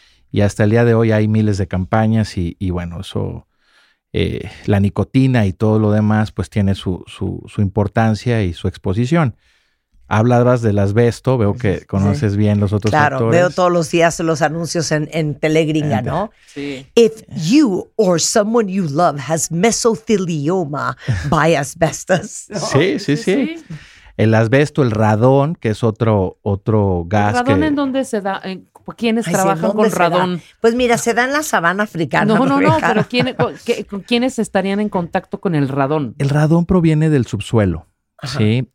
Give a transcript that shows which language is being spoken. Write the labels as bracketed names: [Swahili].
[Spanish] Y hasta el día de hoy hay miles de campañas y bueno, eso, la nicotina y todo lo demás, pues tiene su importancia y su exposición. Hablabas del asbesto, veo que conoces sí. bien los otros claro, factores. Claro, veo todos los días los anuncios en Telegringa, ¿no? Sí. [English] If you or someone you love has mesothelioma by asbestos. [Spanish] ¿No? Sí, sí, sí, sí. El asbesto, el radón, que es otro gas. ¿El radón que, en dónde se da? ¿Quiénes ay, trabajan con radón? Da. Pues mira, se da en la sabana africana. No, pero ¿quiénes estarían en contacto con el radón? El radón proviene del subsuelo, ajá. ¿Sí?